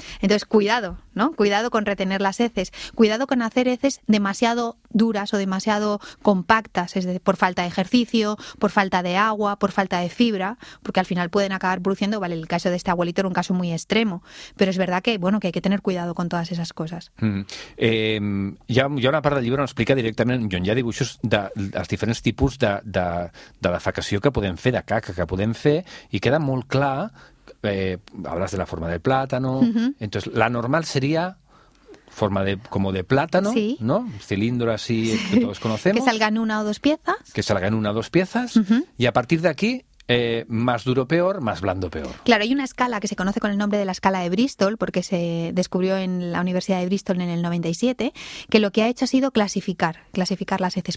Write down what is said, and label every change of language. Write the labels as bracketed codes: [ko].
[es] Entonces, cuidado, ¿no? Cuidado con retener las heces. Cuidado con hacer heces demasiado duras o demasiado compactas, es decir, por falta de ejercicio, por falta de agua, por falta de fibra, porque al final pueden acabar produciendo, vale, el caso de este abuelito era un caso muy extremo, pero es verdad que, bueno, que hay que tener cuidado con todas esas cosas. [ca] Ya una part del llibre no explica directament, on hi ha dibuixos dels diferents tipus de defecació que podem fer, de caca que podem fer, i queda molt clar. [es] Hablas de la forma del plátano. Uh-huh. Entonces, la normal sería forma de como de plátano, sí, ¿no? Cilindro así, sí, que todos conocemos. Que salgan una o dos piezas. Que salgan una o dos piezas. Uh-huh. Y a partir de aquí, más duro peor, más blando peor. Claro, hay una escala que se conoce con el nombre de la escala de Bristol, porque se descubrió en la Universidad de Bristol en el 97, que lo que ha hecho ha sido clasificar las heces.